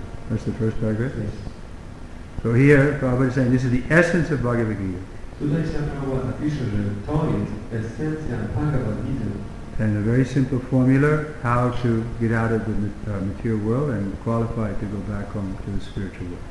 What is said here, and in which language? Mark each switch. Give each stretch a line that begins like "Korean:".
English: That's the first paragraph? Yes. So here, Prabhupada is saying this is the essence of Bhagavad Gita.
Polish: Tutaj się Prabhupada pisze, że to jest esencja Bhagavad Gita.
English: And a very simple formula, how to get out of the material world and qualify to go back home to the spiritual world.